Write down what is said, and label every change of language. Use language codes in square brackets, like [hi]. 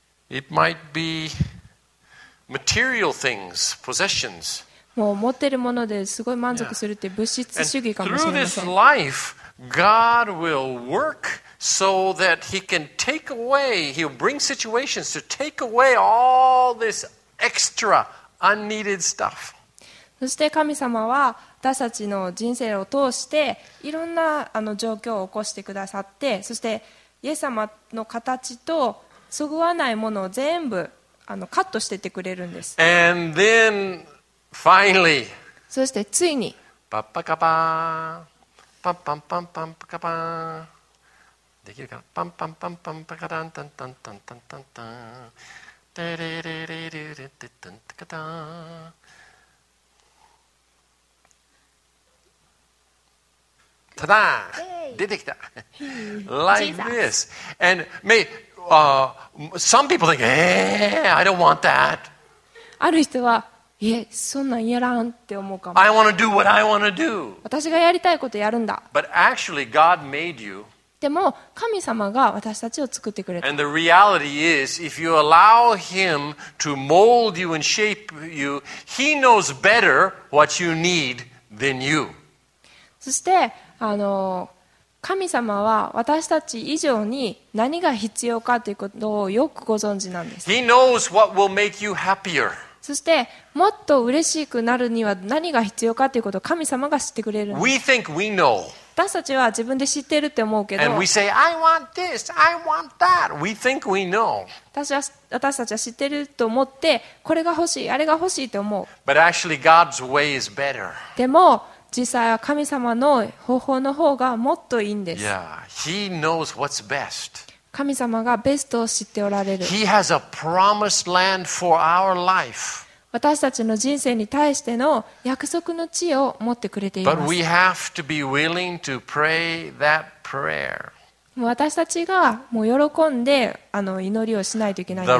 [en] It might be material things, possessions. [ja] もう持ってるものですごい満足するって物質主義かもしれません。 [en] Through this life. God will work so that He can take away, He'll bring situations to take away all this extra unneeded stuff. [ja] そして神様は私たちの人生を通していろんなあの状況を起こしてくださって、そしてイエス様の形とそぐわないものを全部あのカットしててくれるんです。 [en] And then, finally, [ja] そしてついにパッパカパーン、パンパンパンパンパカパーン、できるかな、パンパンパンパンパカダンタンタンタンタンタンタン、テレレレレレテタンタカタン、ただ出てきた。 [en] Like this. And may, some people think, I don't want that. [ja] ある人は、いえ、そんなんやらんって思うかも。 [en] I want to do what I want to do. [ja] 私がやりたいことやるんだ。 [en] But actually, God made you. [ja] でも、神様が私たちを作ってくれた。 [en] And the reality is, if you allow Him to mold you and shape you, He knows better what you need than you. [ja] そして、あの神様は私たち以上に何が必要かということをよくご存知なんです。 [en] He knows what will make you happier. [ja] そしてもっと嬉しくなるには何が必要かということを神様が知ってくれるんです。 [en] We think we know. [ja] 私たちは自分で知ってるって思うけど、 [en] And we say, I want this, I want that. We think we know. [ja] 私たちは知ってると思って、これが欲しい、あれが欲しいと思う。 [en] But actually, God's way is better. [ja] でも実際は神様の方法の方がもっといいんです。 [en] Yeah, he knows what's best. [ja] 神様がベストを知っておられる。 [en] He has a promised land for our life. [ja] 私たちの人生に対しての約束の地を持ってくれています。 [en] But we have to be willing to pray that prayer. [ja] 私たちがもう喜んであの祈りをしないといけないんです。